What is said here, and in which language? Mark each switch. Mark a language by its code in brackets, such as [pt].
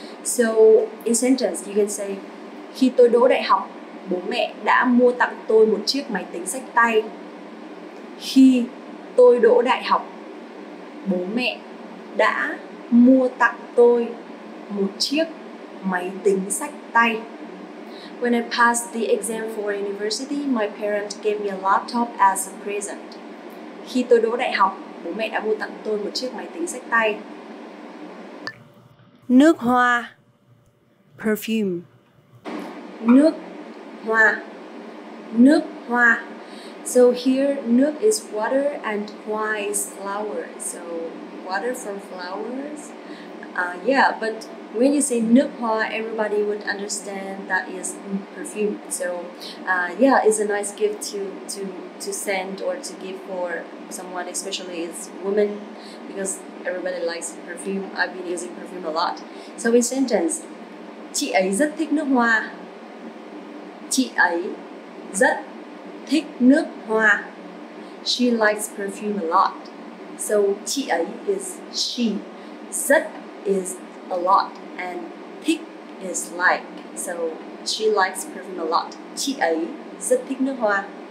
[en] So, in sentence, you can say, [vi] khi tôi đỗ đại học, bố mẹ đã mua tặng tôi một chiếc máy tính xách tay. Khi tôi đỗ đại học, bố mẹ đã mua tặng tôi một chiếc máy tính xách tay. [en] When I passed the exam for university, my parents gave me a laptop as a present. [vi] Khi tôi đỗ đại học, bố mẹ đã mua tặng tôi một chiếc máy tính xách tay. Nước hoa. [en] Perfume. [vi] Nước hoa. Nước hoa. [en] So here, nước is water and hoa is flower. So water from flowers. But when you say nước hoa, everybody would understand that is perfume. So, it's a nice gift to send or to give for someone, especially is women, because everybody likes perfume. I've been using perfume a lot. So in sentence, [vi] chị ấy rất thích nước hoa. Chị ấy rất thích nước hoa. [en] She likes perfume a lot. So chị ấy is she. Rất is a lot and thích is like. So she likes perfume a lot. [vi] Chị ấy rất thích nước hoa.